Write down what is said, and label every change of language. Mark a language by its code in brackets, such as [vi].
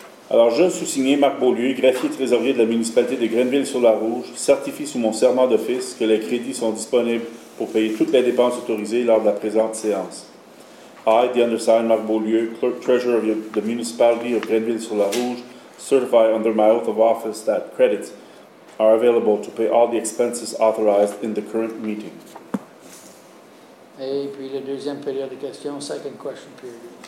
[fr] Alors, je suis signé Marc Beaulieu, greffier trésorier de la municipalité de Grenville-sur-la-Rouge, certifie sous mon serment d'office que les crédits sont disponibles pour payer toutes les dépenses autorisées lors de la présente séance. [en] I, the undersigned Marc Beaulieu, clerk treasurer of the municipality of Grenville-sur-la-Rouge, certify under my oath of office that credits are available to pay all the expenses authorized in the current meeting. [fr] Et puis la deuxième période de questions, [en] second question period.